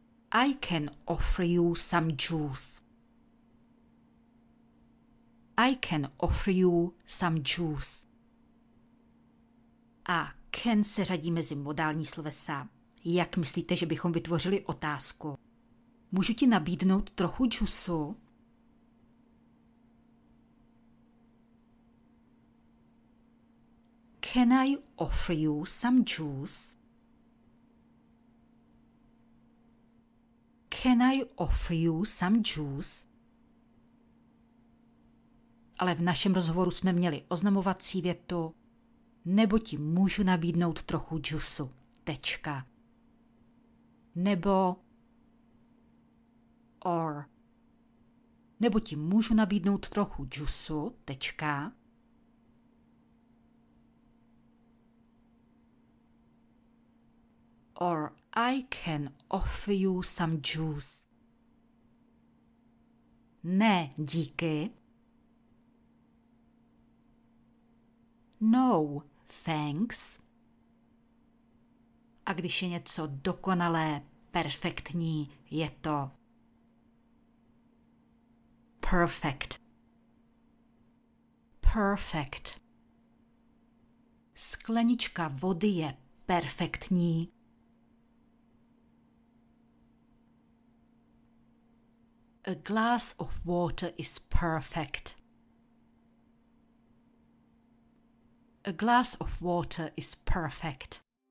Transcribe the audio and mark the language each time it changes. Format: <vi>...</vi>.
<en>I can offer you some juice. I can offer you some juice.</en> <cs>A can se řadí mezi modální slovesa. Jak myslíte, že bychom vytvořili otázku? Můžu ti nabídnout trochu džusu?</cs> <en>Can I offer you some juice? Can I offer you some juice?</en> <cs>Ale v našem rozhovoru jsme měli oznamovací větu, nebo ti můžu nabídnout trochu džusu. Tečka. Nebo</cs> <en>or.</en> <cs>Nebo ti můžu nabídnout trochu džusu. Tečka.</cs> <en>Or I can offer you some juice.</en> <cs>Ne, díky.</cs> <en>No, thanks.</en> <cs>A když je něco dokonalé, perfektní, je to</cs> <en>perfect. Perfect.</en> <cs>Sklenička vody je perfektní.</cs> <en>A glass of water is perfect. A glass of water is perfect.</en>